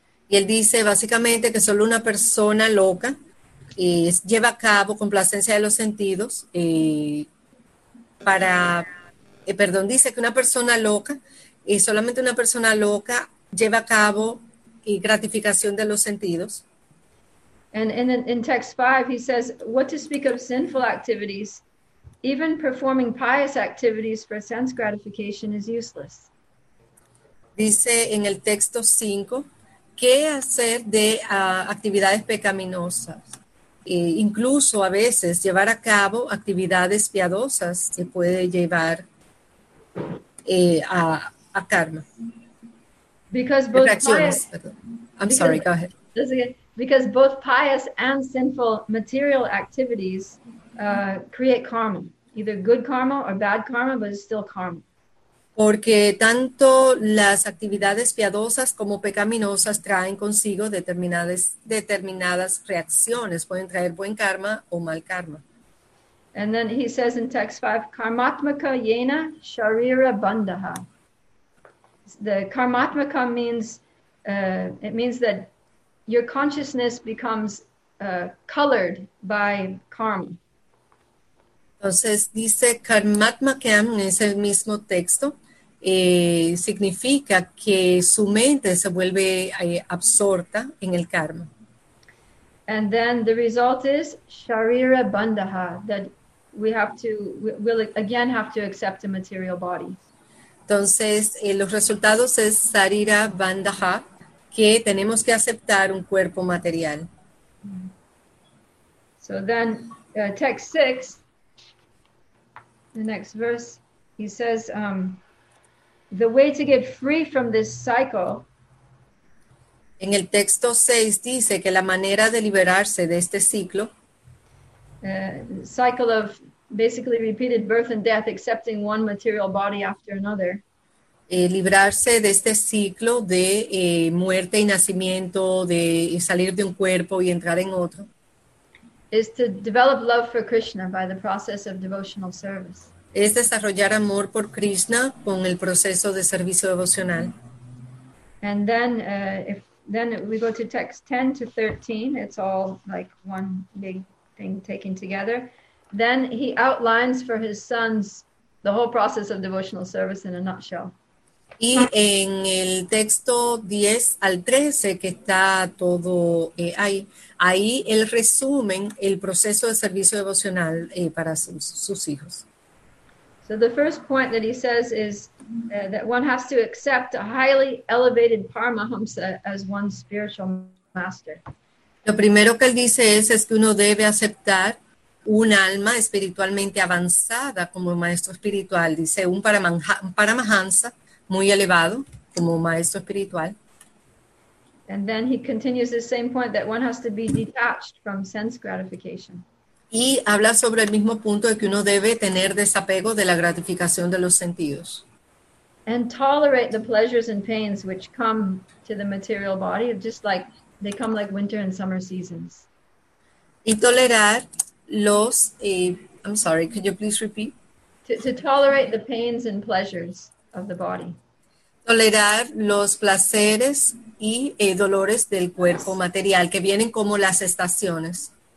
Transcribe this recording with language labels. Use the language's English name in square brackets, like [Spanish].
[Spanish] Y él dice básicamente que solo una persona loca lleva a cabo complacencia de los sentidos para, perdón, dice que una persona loca y solamente una persona loca lleva a cabo y gratificación de los sentidos. [English] And in text 5 he says, what to speak of sinful activities, even performing pious activities for sense gratification is useless. [Spanish] Dice en el texto 5, ¿qué hacer de actividades pecaminosas? E incluso a veces llevar a cabo actividades piadosas se puede llevar a karma. [English] Because both [Spanish] reacciones, [English] pious, I'm sorry, go ahead. This is again, because both pious and sinful material activities create karma, either good karma or bad karma, but it's still karma. [Spanish] Porque tanto las actividades piadosas como pecaminosas traen consigo determinadas reacciones, pueden traer buen karma o mal karma. [English] And then he says in text 5, [Sanskrit] karmatmaka yena sharira bandaha. [English] The karmatmaka means it means that your consciousness becomes colored by karma. [Spanish] Entonces dice Karmatmakam en ese mismo texto, significa que su mente se vuelve absorta en el karma. [English] And then the result is sharira bandha, that we'll again have to accept a material body. [Spanish] Entonces, los resultados es sharira bandha, que tenemos que aceptar un cuerpo material. [English] So then, text 6, the next verse, he says, the way to get free from this cycle. [Spanish] En el texto 6 dice que la manera de liberarse de este ciclo, [English] cycle of basically repeated birth and death, accepting one material body after another. [Spanish] Librarse de este ciclo de muerte y nacimiento, de salir de un cuerpo y entrar en otro. [English] Is to develop love for Krishna by the process of devotional service. [Spanish] Es desarrollar amor por Krishna con el proceso de servicio devocional. [English] And then we go to text 10 to 13. It's all like one big thing taken together. Then he outlines for his sons the whole process of devotional service in a nutshell. [Spanish] Y en el texto 10 al 13, que está todo ahí él resume el proceso de servicio devocional para sus hijos. [English] So the first point that he says is that one has to accept a highly elevated Paramahamsa as one's spiritual master. [Spanish] Lo primero que él dice es que uno debe aceptar un alma espiritualmente avanzada como maestro espiritual. Dice un Paramahamsa muy elevado como maestro espiritual. [English] And then he continues the same point that one has to be detached from sense gratification. [Spanish] Y habla sobre el mismo punto de que uno debe tener desapego de la gratificación de los sentidos. [English] And tolerate the pleasures and pains which come to the material body, just like they come like winter and summer seasons. [Spanish] Y tolerar los, [English] I'm sorry, could you please repeat? To tolerate the pains and pleasures of the body. [Spanish] Tolerar los placeres y dolores del cuerpo material, que vienen como las estaciones.